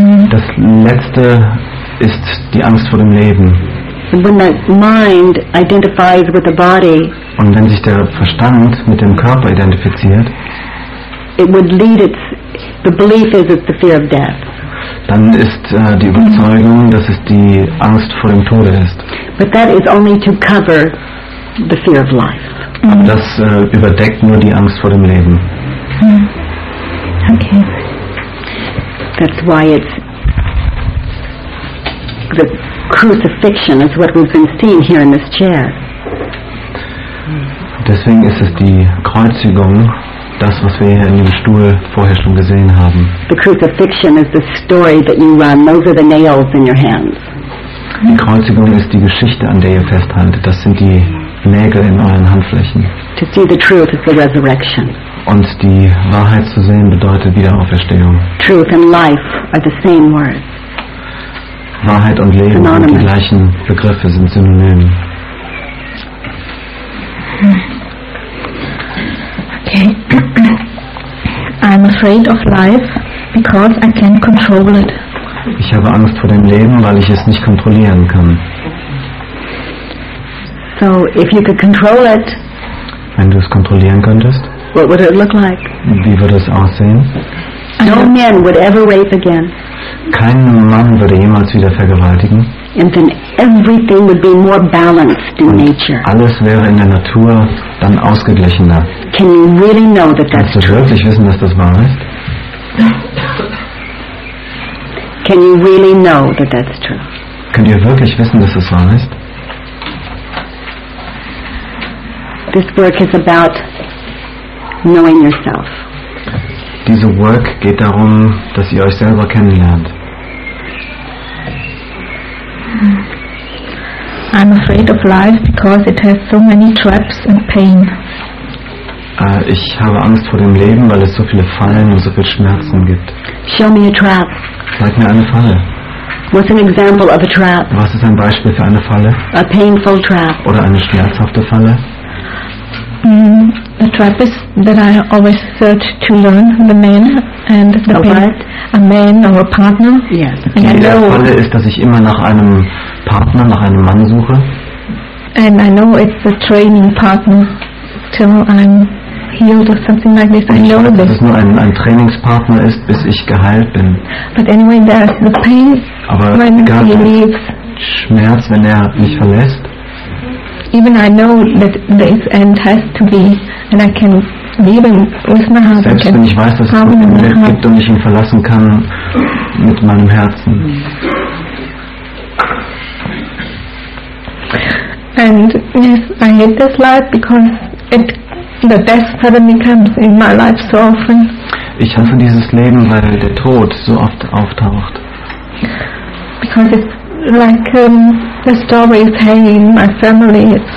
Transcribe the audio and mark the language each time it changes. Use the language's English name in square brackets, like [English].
[German] Das letzte ist die Angst vor dem Leben. [English] When the mind identifies with the body, [German] und wenn sich der Verstand mit dem Körper identifiziert, [English] it would lead its, the belief is it's the fear of death. [German] Dann ist die Überzeugung, dass es die Angst vor dem Tode ist. [English] But that is only to cover the fear of life. [German] Aber das überdeckt nur die Angst vor dem Leben. [English] Okay. That's why it's the crucifixion is what we've been seeing here in this chair. [German] Deswegen ist es die Kreuzigung, das was wir hier in dem Stuhl vorher schon gesehen haben. [English] The crucifixion is the story that you run. Those are the nails in your hands. [German] Die Kreuzigung ist die Geschichte, an der ihr festhaltet. Das sind die Nägel in euren Handflächen. [English] To see the truth is the resurrection. [German] Und die Wahrheit zu sehen bedeutet Wiederauferstehung. [English] Truth and life are the same words. [German] Wahrheit und Leben sind die gleichen Begriffe, sind Synonym. [English] Okay. I'm afraid of life because I can't control it. [German] Ich habe Angst vor dem Leben, weil ich es nicht kontrollieren kann. [English] So, if you could control it, [German] wenn du es kontrollieren könntest, [English] what would it look like? [German] Wie würde es aussehen? [English] No man would ever rape again. [German] Kein Mann würde jemals wieder vergewaltigen. [English] And then everything would be more balanced in nature. [German] Alles wäre in der Natur dann ausgeglichener. [English] Can you really know that that's [German] true? Kannst du wirklich wissen, dass das wahr ist? [English] Can you really know that that's true? [German] Könnt ihr wirklich wissen, dass das wahr ist? [English] This work is about knowing yourself. [German] Diese Work geht darum, dass ihr euch selber kennenlernt. [English] I'm afraid of life because it has so many traps and pain. [German] Ich habe Angst vor dem Leben, weil es so viele Fallen und so viel Schmerzen gibt. [English] Show me a trap. [German] Zeig mir eine Falle. [English] What's an example of a trap? [German] Was ist ein Beispiel für eine Falle? [English] A painful trap. [German] Oder eine schmerzhafte Falle? [English] A trap is that I always search to learn the man and the what? A man or a partner. Yes. [German] Die Falle ist, dass ich immer nach einem Partner, nach einem Mann suche. [English] And I know it's a training partner till I'm healed or something like this. [German] Ich weiß, dass es nur ein Trainingspartner ist, bis ich geheilt bin. [English] But anyway, there's the pain when he leaves. [German] Schmerz, wenn er mich verlässt. [English] Even I know that this end has to be, and I can leave him with my heart. [German] Selbst wenn ich weiß, dass es ein Ende gibt und ich ihn verlassen kann mit meinem Herzen. [English] And yes, I hate this life because it, the death suddenly comes in my life so often. [German] Ich hasse dieses Leben, weil der Tod so oft auftaucht. [English] Because it's like the story is hanging in my family.